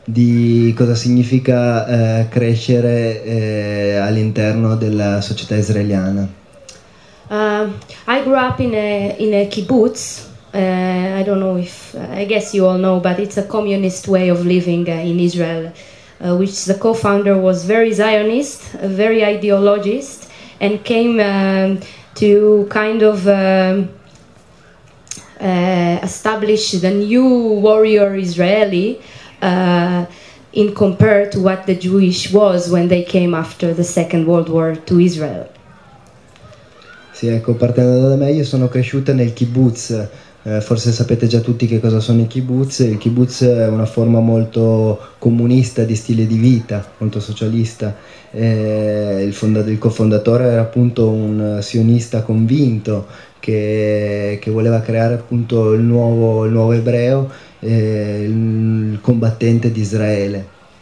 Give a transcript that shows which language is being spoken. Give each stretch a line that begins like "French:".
Italian: di cosa significa crescere all'interno della società israeliana.
English: I grew up in a kibbutz. I don't know if I guess you all know, but it's a communist way of living in Israel, which the co-founder was very Zionist, very ideologist, and came to kind of establish the new warrior Israeli in compared to what the Jewish was when they came after the Second World War to Israel.
Italian: Sì, ecco, partendo da me, io sono cresciuta nel kibbutz, forse sapete già tutti che cosa sono i kibbutz. Il kibbutz è una forma molto comunista di stile di vita, molto socialista. Il cofondatore era appunto un sionista convinto che voleva creare appunto il nuovo ebreo, il combattente di Israele.